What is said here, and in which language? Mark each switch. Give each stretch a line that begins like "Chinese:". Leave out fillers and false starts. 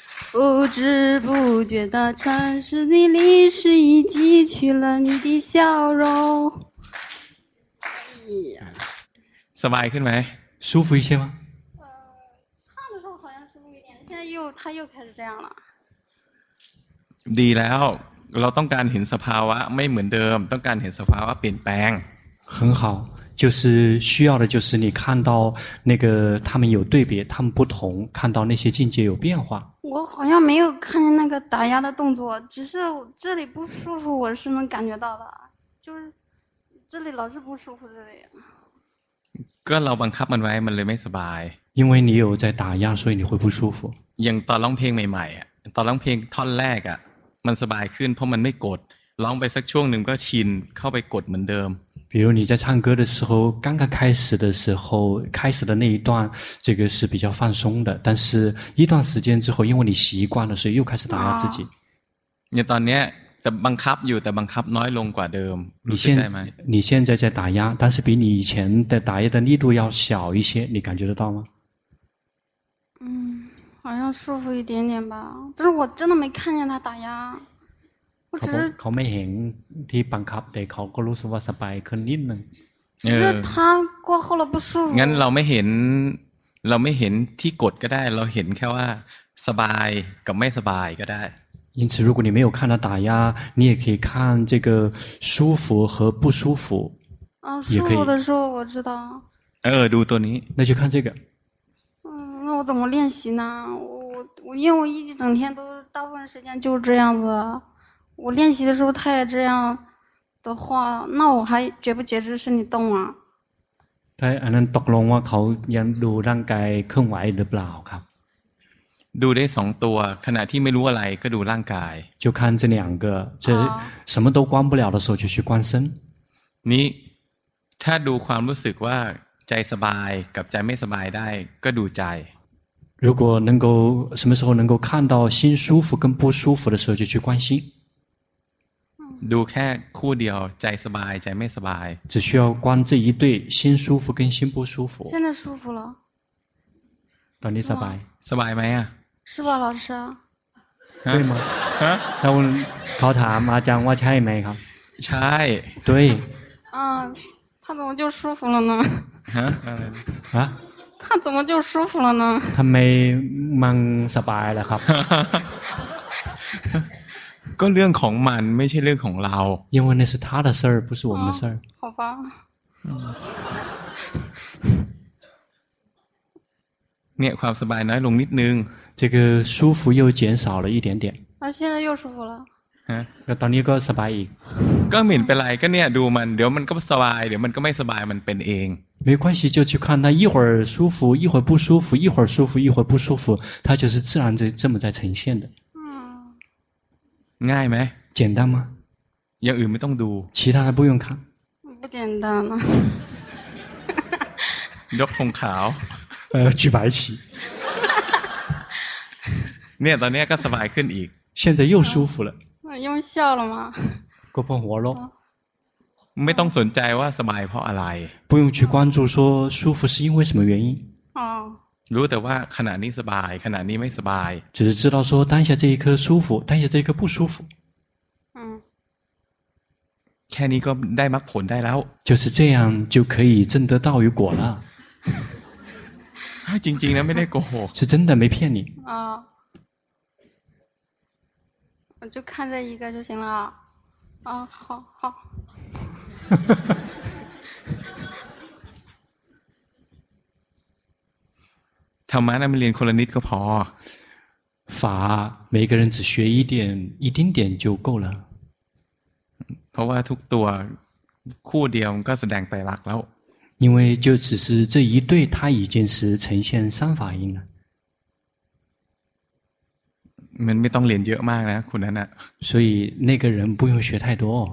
Chinese: 不知不觉的城市里，历史已汲取了你的笑容。
Thai: สบายขึ้นไหม？
Chinese: 舒服一些吗？唱的时候好像舒服一点，现在他又开始这样了。
Thai: ดีแล้ว，เราต้องการเห็นสภาวะไม่เหมือนเดิม，ต้องการเห็นสภาวะเปลี่ยนแปลง。
Chinese: 很好，就是需要的就是你看到那个他们有对比，他们不同，看到那些境界有变化。我好像没有看见那个打压的动作，只是这里不舒服，我是能感觉到的，就是这里老是不舒服这里。
Thai: ก็เราบังคับมันไว้มันเลยไม่สบาย。
Chinese: 因为你有在打压，所以你会不舒服。
Thai: อย่างตอนร้องเพลงใหม่ๆอ่ะตอนร้องเพลงท่อนแรกอ่ะมันสบายขึ้นเพราะมันไม่กดร้องไปสักช่วงนึงก็ชินเข้าไปกดเหมือนเดิม
Chinese: 比如你在唱歌的时候，刚刚开始的时候，开始的那一段，这个是比较放松的。但是，一段时间之后，因为你习惯了，所以又开始打压自己。你当年在
Thai: บังคับอยู่แต่บังคับน้อยลงกว่าเดิม。
Chinese: 你现在在打压，但是比你以前的打压的力度要小一些，你感觉得到吗？嗯，好像舒服一点点吧，但是我真的没看见他打压。
Thai: เขาไม่เห็นที่บังคับแต่เขาก็รู้สึกว่าสบายขึ้นนิดนึง เออถ้า
Chinese: 过后了不舒服
Thai: งั้นเราไม่เห็นที่กดก็ได้เราเห็นแค่ว่าสบายกับไม่สบายก็ได้
Chinese: 因此如果你没有看到打压你也可以看这个舒服和不舒服啊舒服的时候我知道
Thai: เออดูตัวนี้
Chinese: 那就看这个嗯那我怎么练习呢我因为我一整天都大部分时间就是这样子我练习的时候他也这样的话那我还觉不觉知身体动啊
Thai: 对อันนั้นตกลงว่าเขายังดูร่างกายเคลื่อนไหวหรือเปล่าครับ ดูได้สองตัวขณะที่ไม่รู้อะไรก็ดูร่างกาย
Chinese: 就看这两个这什么都关不了的时候就去观身
Thai: นี้ถ้าดูความรู้สึกว่าใจสบายกับใจไม่สบายได้ก็ดูใจ
Chinese: 如果能够什么时候能够看到心舒服跟不舒服的时候就去观心
Thai: ดูแค่คู่เดียวใจสบายใจไม่สบาย
Chinese: 只需要观这一对心舒服跟心不舒服现在舒服了
Thai: ตอนนี้สบาย สบายไหมอ่ะ สบาย
Chinese: 老师对吗？啊？他问，他问阿江，我猜没哈？猜。对。啊，他怎么就舒服了呢？啊？他怎么就舒服了呢？他没蒙สบาย了ครับ。
Thai: ก็เรื่องของมันไม่ใช่เรื่องของเรา
Chinese: 因为那是他的事儿，不是我们的事儿。好吧。
Thai: เนี่ยความสบายน้อยลงนิดนึง
Chinese: 这个舒服又减少了一点点啊现在又舒服了
Thai: ฮะ ก็ตอนนี้ก็สบายอีก ก็เหมือนเป็นไรก็เนี่ยดูมันเดี๋ยวมันก็สบายเดี๋ยวมันก็ไม่สบายมันเป็นเอง
Chinese: 没关系就去看它一会儿舒服一会儿不舒服一会儿舒服一会儿不舒服它就是自然的这么在呈现的嗯
Thai: ง่ายไหม
Chinese: 简单吗
Thai: อย่างอื่นไม่ต้องดู
Chinese: 其他的不用看不简单了
Thai: ยกธงขาว
Chinese: 举白旗
Thai: เนี่ยตอนนี้ก็สบายขึ้นอีก
Chinese: 现在又舒服了用笑了吗
Thai: ก็พองหัวล บไม่ต้องสนใจว่าสบายเพราะอะไร
Chinese: 不用去关注说舒服是因为什么原因
Thai: รู้แต่ว่าขณะนี้สบายขณะนี้ไม่สบาย
Chinese: 只是知道说当下这一刻舒服当下这一刻不舒服
Thai: แค่นี้ก็ได้มรรคผลได้แล้ว
Chinese: 就是这样就可以证得道与果了
Thai: จริงๆนะไม่ได้โกหก
Chinese: 是真的没骗你啊我就看这一个就行了啊好好哈
Thai: 哈ธรรมะนั้นมันเรียนคนละนิดก็พ
Chinese: อ法每个人只学一点一丁点就够了
Thai: เพราะว่าทุกตัวคู่เดียวก็แสดงไตรลักษณ์แล้ว
Chinese: 因为就只是这一对他已经是呈现三法印了
Thai: มันไม่ต้องเรียนเยอะมากนะคนนั้นอ่ะ
Chinese: 所以那个人不用学太多